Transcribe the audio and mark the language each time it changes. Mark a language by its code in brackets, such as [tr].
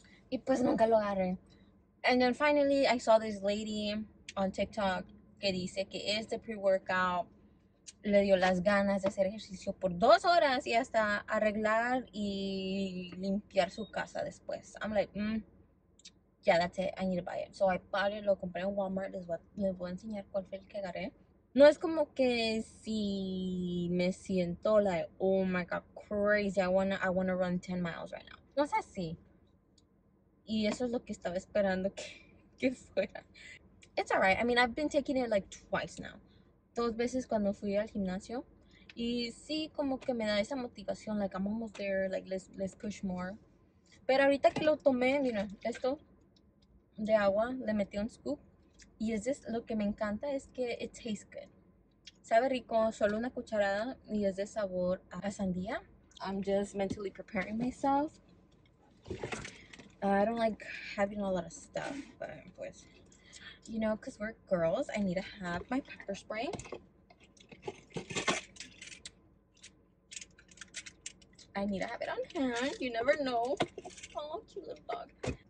[es] Y pues nunca lo agarré. [en] And then finally, I saw this lady on TikTok [es] que dice que este pre-workout le dio las ganas de hacer ejercicio por 2 horas y hasta arreglar y limpiar su casa después. [en] I'm like, yeah, that's it. I need to buy it. So I bought it, [es] lo compré en Walmart. Les voy a enseñar cuál fue el que agarré. No es como que si me siento [en] like, oh my God, crazy, I wanna run 10 miles right now. [es] No es así. Y eso es lo que estaba esperando que fuera. [en] It's alright. I mean, I've been taking it like twice now. [es] 2 veces cuando fui al gimnasio. Y sí, como que me da esa motivación, [en] like I'm almost there, like let's push more. [es] Pero ahorita que lo tomé, mira, esto de agua, le metí un scoop. Y es just, lo que me encanta es que [en] it tastes good. [es] Sabe rico, solo una cucharada y es de sabor a sandía. [en] I'm just mentally preparing myself. I don't like having a lot of stuff, but pues, You know, because we're girls, I need to have my pepper spray. I need to have it on hand. You never know. Oh, cute little dog.